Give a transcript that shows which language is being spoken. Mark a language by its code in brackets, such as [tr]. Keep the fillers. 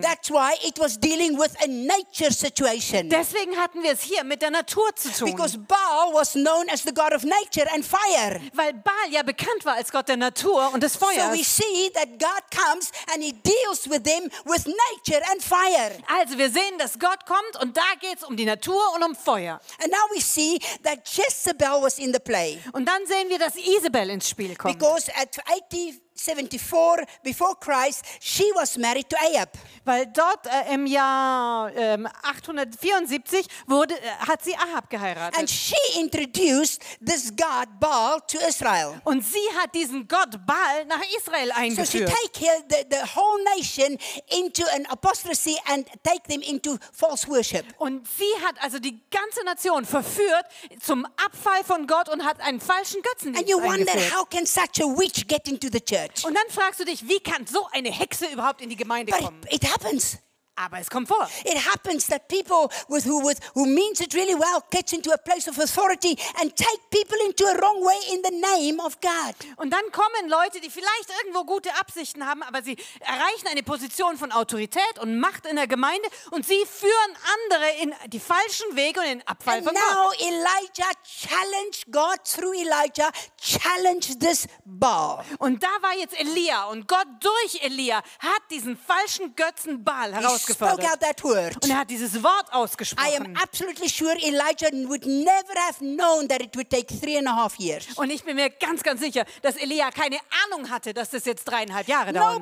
[en] That's why it was dealing with a nature situation. [de] Deswegen hatten wir es hier mit der Natur zu tun. [en] Because Baal was known as the god of nature and fire. [de] Weil Baal ja bekannt war als Gott der Natur und des Feuers. [en] So we see that God comes and he deals with them with nature and fire. [de] Also wir sehen, dass Gott kommt und da geht's um die Natur und um Feuer. [en] And now we see that Jezebel was in the play. [de] Und dann sehen wir, dass Isabel ins Spiel kommt. [en] Because at 80 74 before Christ, she was married to Ahab. [de] weil dort äh, im Jahr ähm, 874 wurde äh, hat sie Ahab geheiratet. Und sie hat diesen Gott Baal nach Israel eingeführt. [en] So she take the, the whole nation into an apostasy and take them into false worship. [de] Und sie hat also die ganze Nation verführt zum Abfall von Gott und hat einen falschen Götzen And Und dann fragst du dich, wie kann so eine Hexe überhaupt in die Gemeinde kommen? happens. Aber es kommt vor. [en] It happens that people with who with who means it really well get into a place of authority and take people into a wrong way in the name of God. [de] Und dann kommen Leute, die vielleicht irgendwo gute Absichten haben, aber sie erreichen eine Position von Autorität und Macht in der Gemeinde und sie führen andere in die falschen Wege und in den Abfall and von Gott. [en] Now Elijah challenged God through Elijah challenged this Baal. [de] Und da war jetzt Elia und Gott durch Elia hat diesen falschen Götzen Baal heraus herausgefordert. Und er hat dieses Wort ausgesprochen. Sure und ich bin mir ganz, ganz sicher, dass Elia keine Ahnung hatte, dass das jetzt dreieinhalb Jahre dauert.